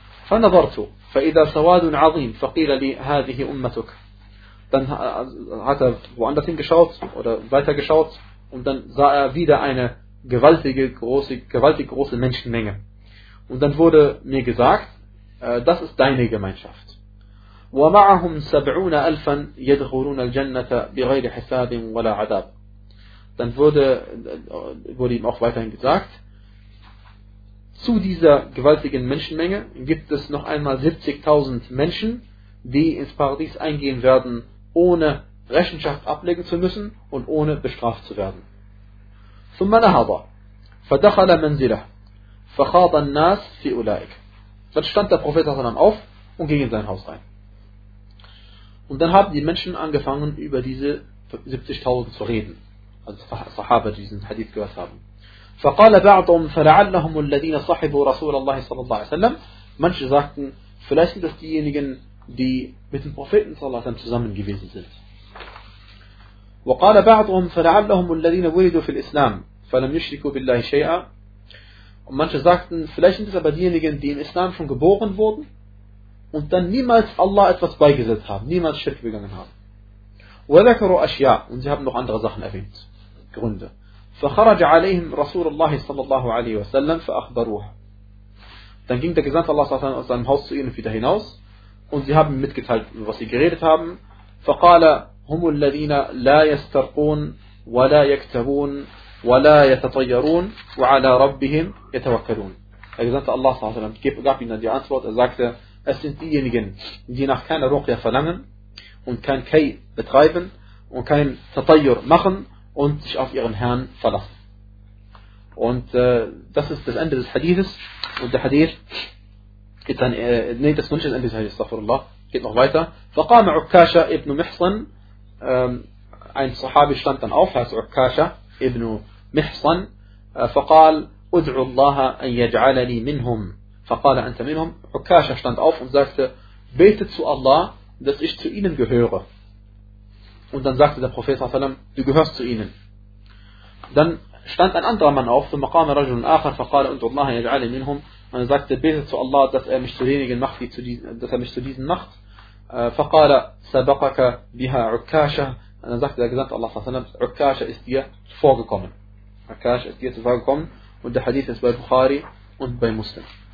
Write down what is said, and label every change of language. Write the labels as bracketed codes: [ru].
[ar] فنظرت فإذا سواد عظيم. فقيل لي هذه أمتك. [de] Dann hat er woanders hingeschaut oder weiter geschaut und dann sah er wieder eine gewaltig große Menschenmenge. Und dann wurde mir gesagt, das ist deine Gemeinschaft. [ar] ومعهم سبعون ألفا يدخلون الجنة بغير حساب ولا عذاب. [de] Dann wurde ihm auch weiterhin gesagt, zu dieser gewaltigen Menschenmenge gibt es noch einmal 70.000 Menschen, die ins Paradies eingehen werden, ohne Rechenschaft ablegen zu müssen und ohne bestraft zu werden. [ar] ثم نهض فدخل منزله فخاض الناس في أولئك. [de] Dann stand der Prophet auf und ging in sein Haus rein. Und dann haben die Menschen angefangen, über diese 70.000 zu reden. Also Sahaba, die diesen Hadith gehört haben. [ar] فقال بعضهم فلعلهم الذين صحبوا رسول الله صلى الله عليه وسلم. [de] Manche sagten, vielleicht sind das diejenigen, die mit dem Propheten zusammen gewesen sind. [ar] وقال بعضهم فلعلهم الذين ولدوا في الإسلام فلم يشركوا بالله شيئا. [de] Und manche sagten, vielleicht sind es aber diejenigen, die im Islam schon geboren wurden und dann niemals Allah etwas beigesetzt haben, niemals Schirk begangen haben. [ar] وذكروا أشياء. [de] Und sie haben noch andere Sachen erwähnt, Gründe. [ar] فخرج عليهم رسول الله صلى الله عليه وسلم فأخبروه. [de] Dann ging der Gesandte Allah aus seinem Haus zu ihnen und wieder hinaus und sie haben mitgeteilt, was sie geredet haben. [ar] فقال هم الذين لا يسترقون ولا يكتبون ولا يتطيرون وعلى ربهم يتوكلون. [de] Er sagte, Allah [ar] صلى الله عليه وسلم [de] gab ihnen die Antwort. Er sagte, es sind diejenigen, die nach keiner Ruqya verlangen und kein Kay betreiben und kein Tatayur machen und sich auf ihren Herrn verlassen. Und das ist das Ende des Hadithes. Und der Hadith geht dann, nein, das ist nicht das Ende des Hadithes, astaghfirullah, geht noch weiter. [ar] فقام عكاشة ابن محصن. [de] Ein Sahabi stand dann auf, heißt عكاشة ابن محصن. [ar] فقال ادعو الله ان يجعلني منهم. فقال انت منهم. [de] عكاشة stand auf und sagte, betet zu Allah, dass ich zu ihnen gehöre. Und dann sagte der Prophet [ar] صلى الله عليه وسلم, [de] du gehörst zu ihnen. Dann stand ein anderer Mann auf, [ar] ثم قام رجل اخر فقال ادعو الله ان يجعلني منهم. [de] Und er sagte, betet zu Allah, dass er mich zu diesen macht. [ar] فقال سبقك بها عكاشة. [de] Und dann sagte der Gesandte Allah, Ukasha ist dir vorgekommen. Ukasha ist dir vorgekommen. Und der Hadith ist bei Bukhari und bei Muslim.